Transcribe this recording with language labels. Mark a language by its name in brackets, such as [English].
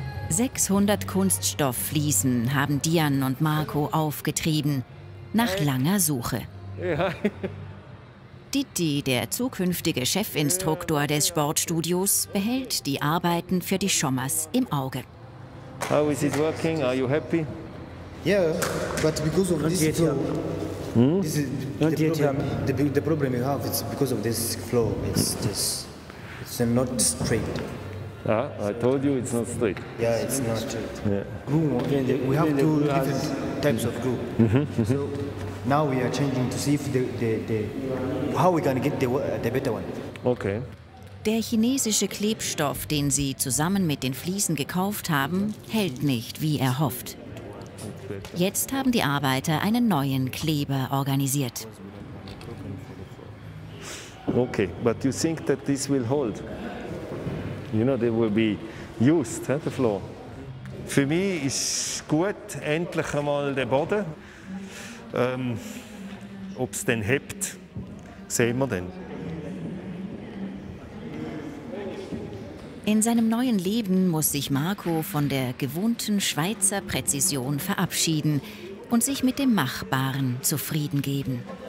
[German] Sechshundert Kunststofffliesen haben Dian und Marco aufgetrieben, nach langer Suche. Didi, der zukünftige Chefinstruktor des Sportstudios, behält die Arbeiten für die Schommers im Auge. [English] How is it working? Are you happy? Yeah, but because of this floor, this is the problem you have. It's because of this floor. It's not straight. Ah, I told you it's not straight. Yeah, it's not straight. Yeah. Room, we have 2 different types of room. Mm-hmm. So now we are changing to see if how we can get the better one. Okay. [German] Der chinesische Klebstoff, den Sie zusammen mit den Fliesen gekauft haben, hält nicht wie erhofft. Jetzt haben die Arbeiter einen neuen Kleber organisiert. [English] Okay, but you think that this will hold? You know, they will be used, huh, the floor. [German] Für mich ist gut, endlich einmal der Boden. Ob es denn hebt, sehen wir dann. In seinem neuen Leben muss sich Marco von der gewohnten Schweizer Präzision verabschieden und sich mit dem Machbaren zufrieden geben.